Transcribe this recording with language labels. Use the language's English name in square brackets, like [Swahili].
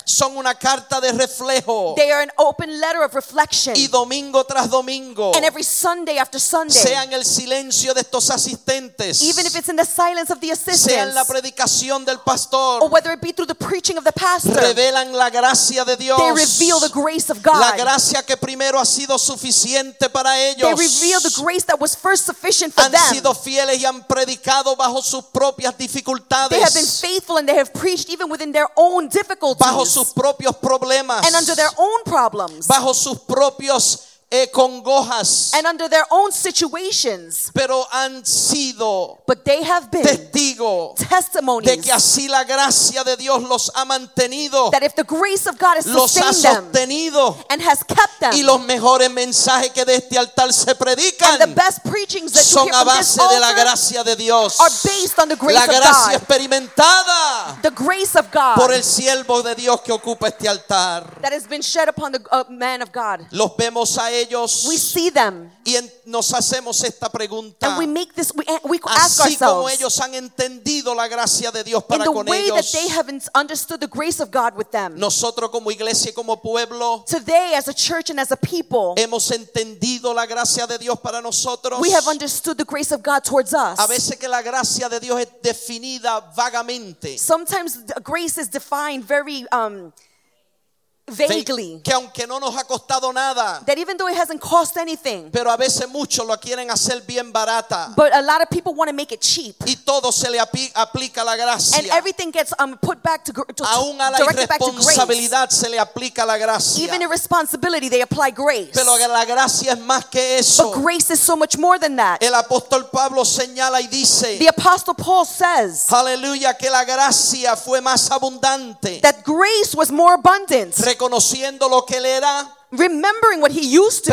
[Spanish] Son una carta de reflejo. [English] They are an open letter of reflection. [Spanish] Y domingo tras domingo. [English] And every Sunday after Sunday. [Spanish] Sea en el silencio de estos asistentes. [English] Even if it's in the silence of the assistants. [Spanish] Sea en la predicación del pastor. [English] Or whether it be through the preaching of the pastor. [Spanish] Revelan la gracia de Dios. [English] They reveal the grace of God. [Spanish] La gracia que primero ha sido suficiente para ellos. [English] They reveal the grace that was first sufficient for them. [Spanish] Han sido fieles y han predicado bajo sus propias dificultades. [English] They have been faithful and they have preached even within their own difficulties. [Spanish] Bajo sus propios problemas. [English] And under their own problems. [Spanish] Bajo sus propios congojas. [English] And under their own situations. [Spanish] Pero han sido. [English] But they have been. [Spanish] Testigo. [English] Testimonies. [Spanish] De que así la gracia de Dios los ha mantenido. [English] That if the grace of God has sustained them. And has kept them. [Spanish] Y los mejores mensajes que de este altar se predican. [English] And the best preachings that [Spanish] son a base de la gracia de Dios. [English] Are based on the grace of God. [Spanish] La gracia experimentada. [English] The grace of God. [Spanish] Por el siervo de Dios que ocupa este altar. [English] That has been shed upon the man of God. [Spanish] Los vemos a ellos. [English] We see them. [Spanish] Y nos hacemos esta pregunta. [English] And we make this, we ask ourselves. [Spanish] Así como ellos han entendido la gracia de Dios para con ellos. [English] In the way that they have understood the grace of God with them. [Spanish] Nosotros como iglesia y como pueblo. [English] Today as a church and as a people. [Spanish] Hemos entendido la gracia de Dios para nosotros. [English] We have understood the grace of God towards us. [Spanish] A veces que la gracia de Dios es definida vagamente. [English] Sometimes grace is defined very vaguely, [Spanish] que aunque no nos ha costado nada, [English] that even though it hasn't cost anything, [Spanish] pero a veces mucho lo quieren hacer bien barata, [English] but a lot of people want to make it cheap, [Spanish] y todo se le aplica la gracia, [English] and everything gets put back to grace, [Spanish] aún a la irresponsabilidad se le aplica la gracia, [English] even irresponsibility they apply grace, [Spanish] pero la gracia es más que eso, [English] but grace is so much more than that. [Spanish] El apóstol Pablo señala y dice, [English] the apostle Paul says, [Spanish] aleluya, que la gracia fue más abundante, [English] that grace was more abundant. [Spanish] Reconociendo lo que él era, [English] remembering what he used to